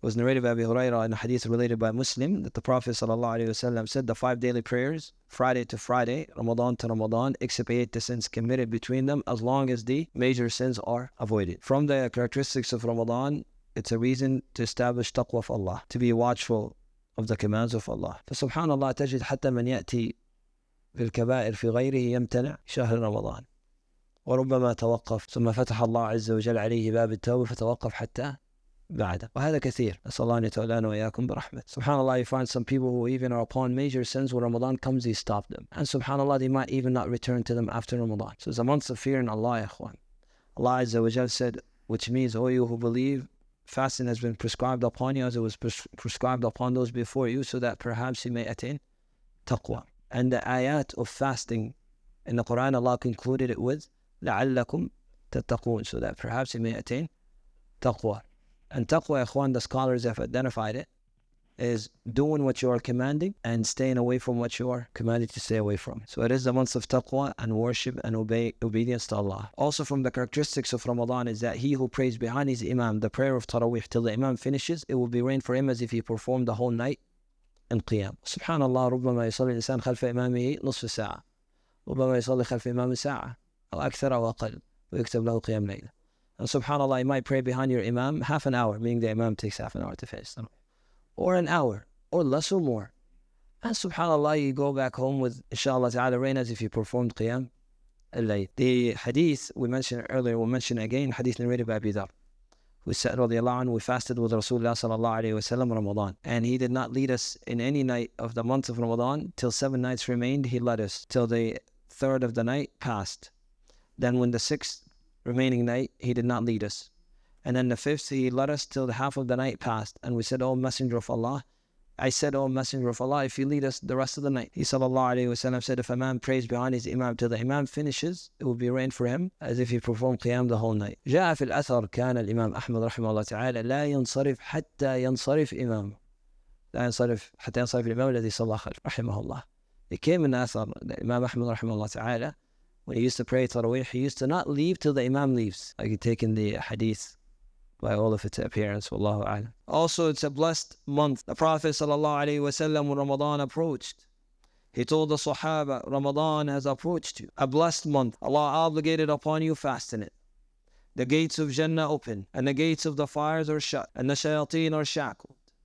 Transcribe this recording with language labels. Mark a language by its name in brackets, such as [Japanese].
[English] It was narrated by Abu Huraira in a hadith related by Muslim that the Prophet ﷺ said the 5 daily prayers, Friday to Friday, Ramadan to Ramadan, expiate the sins committed between them as long as the major sins are avoided. From the characteristics of Ramadan, it's a reason to establish taqwa of Allah, to be watchful of the commands of Allah. [Arabic] فسبحانالله تجد حتى من يأتي في الكبائر في غيره يمتنع شهر رمضان. وربما توقف ثم فتح الله عز وجل عليه باب التوبة فتوقف حتى بعده وهذا كثير أسأل الله أن يتولانا وإياكم برحمة سبحانallah. [English] You find some people who even are upon major sins when Ramadan comes, they stop them, and subhanallah, they might even not return to them after Ramadan. So it's a month of fear in Allah, ya ikhwan. Allah عز وجل said, which means, oh you who believe, fasting has been prescribed upon you as it was prescribed upon those before you, so that perhaps you may attain taqwa. And the ayat of fasting in the Quran, Allah concluded it with [Arabic] لَعَلَّكُمْ تَتَّقُونَ, [English] so that perhaps you may attain taqwa. And taqwa, ikhwan, the scholars have identified it, is doing what you are commanding and staying away from what you are commanded to stay away from. So it is the month of taqwa and worship and obedience to Allah. Also from the characteristics of Ramadan is that he who prays behind his imam, the prayer of tarawih, till the imam finishes, it will be rain for him as if he performed the whole night in qiyam. [Arabic] Subhanallah, ربما يصلي الإنسان خلف إمامه نصف ساعة. ربما يصلي خلف إمام ساعة أو أكثر أو أقل ويكتب له قيام ليلة. [English] And subhanallah, you might pray behind your imam half an hour, meaning the imam takes half an hour to finish. Or an hour, or less or more. And subhanAllah, you go back home with inshallah ta'ala rain as if you performed qiyam al-layl. The hadith we mentioned earlier, we'll mention again, hadith narrated by Abi Dhar, who said, radiallahu anhu, we fasted with Rasulullah sallallahu alayhi wa sallam Ramadan. And he did not lead us in any night of the month of Ramadan till 7 nights remained, he led us till the third of the night passed. Then when the sixth remaining night, he did not lead us. And then the fifth, he led us till the half of the night passed. And we said, oh Messenger of Allah, if you lead us the rest of the night. He sallallahu alayhi wa sallam said, if a man prays behind his imam till the imam finishes, it will be rain for him as if he performed qiyam the whole night. [Arabic] جاء في الأثر كان الإمام أحمد رحمه الله تعالى لا ينصرف حتى ينصرف إمام. لا ينصرف حتى ينصرف الإمام الذي صلى خلف رحمه الله. [English] It came in [Arabic] أثر الإمام أحمد رحمه الله تعالى. [English] When he used to pray tarawih, he used to not leave till the imam leaves. Like he'd taken the hadith by all of its appearance, wallahu a'lam. Also, it's a blessed month. The Prophet sallallahu alayhi wa sallam, when Ramadan approached, he told the Sahaba, Ramadan has approached you. A blessed month. Allah obligated upon you, fasten it. The gates of Jannah open, and the gates of the fires are shut, and the shayateen are shackled.